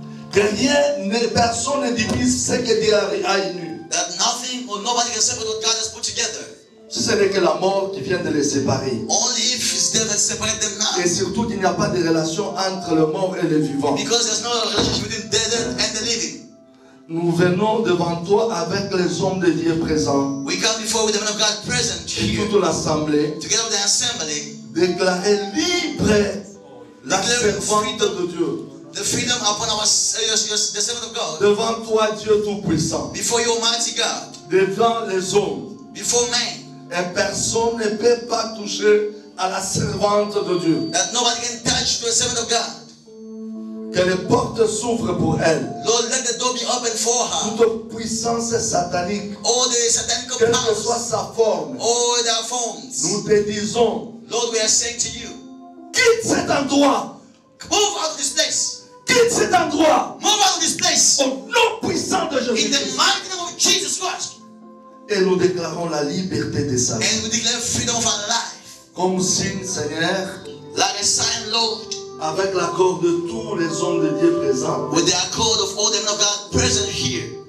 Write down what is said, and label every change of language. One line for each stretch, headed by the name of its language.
French: Que rien, personne ne divise ce que Dieu a uni.
English: That nothing or nobody can separate what God has put together.
French: Ce serait que la mort qui vient de les séparer.
English: Only if death has separated them now.
French: Et surtout qu'il n'y a pas de relation entre le mort et le vivant.
English: Because there's no relationship between the dead and the living.
French: Nous venons devant toi avec les hommes de Dieu présents.
English: We come before with the men of God present
French: here. Et toute l'assemblée.
English: Together with the assembly.
French: Déclarer libre la servante de Dieu.
English: The freedom upon the servant of God.
French: Devant toi, Dieu Tout-Puissant.
English: Before your mighty God.
French: Devant les hommes.
English: Before men.
French: Et personne ne peut pas toucher à la servante de Dieu.
English: That nobody can touch to the servant of God.
French: Que les portes s'ouvrent pour elle.
English: Lord, let the door be open for her.
French: Toute puissance satanique.
English: All the satanic
French: powers. Quelle que soit sa forme.
English: All their forms.
French: Nous te disons.
English: Lord, we are saying to you.
French: Quitte cet endroit.
English: Move out of this place.
French: Quitte cet endroit.
English: Move out of this place.
French: Au nom puissant de Jésus.
English: In the mighty name of Jesus Christ.
French: Et nous déclarons la liberté de sa
English: vie. And we declare freedom of our life.
French: Comme signe, Seigneur.
English: Like a sign, Lord.
French: Avec l'accord de tous les hommes de Dieu présents.
English: With the accord of all the men of God present here.